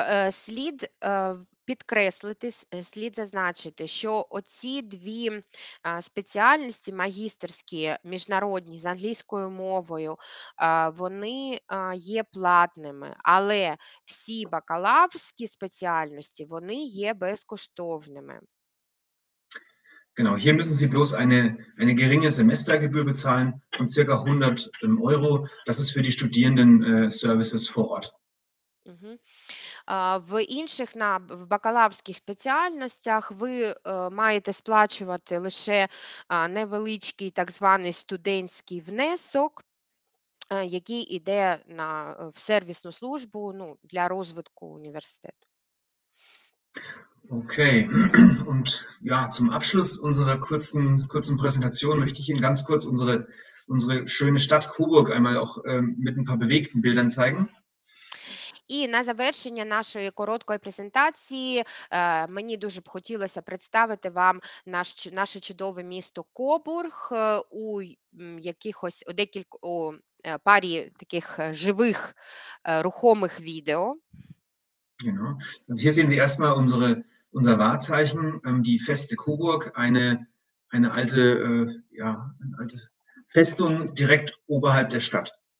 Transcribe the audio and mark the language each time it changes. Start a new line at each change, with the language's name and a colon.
Ukrainian: Слід підкреслити, слід зазначити, що оці дві спеціальності магістерські, міжнародні, з англійською мовою, вони є платними, але всі бакалаврські спеціальності, вони є безкоштовними.
German: Genau, hier müssen Sie bloß eine geringe Semestergebühr bezahlen von ca. 100 Euro. Das ist für die Studierenden-Services vor Ort.
Ukrainian: В інших на бакалаврських спеціальностях ви маєте сплачувати лише невеличкий так званий студентський внесок, який іде на в сервісну службу, ну, для розвитку університету.
German: Okay, und ja, zum Abschluss unserer kurzen Präsentation möchte ich Ihnen ganz kurz unsere schöne Stadt Coburg einmal auch mit ein paar bewegten Bildern zeigen.
Ukrainian: І на завершення нашої короткої презентації мені дуже б хотілося представити вам наше чудове місто Кобург у якихось у парі таких живих рухомих відео.
German: Genau. Also hier sehen Sie erstmal unser Wahrzeichen, die Feste Coburg, eine alte, ja, eine alte Festung direkt oberhalb der Stadt.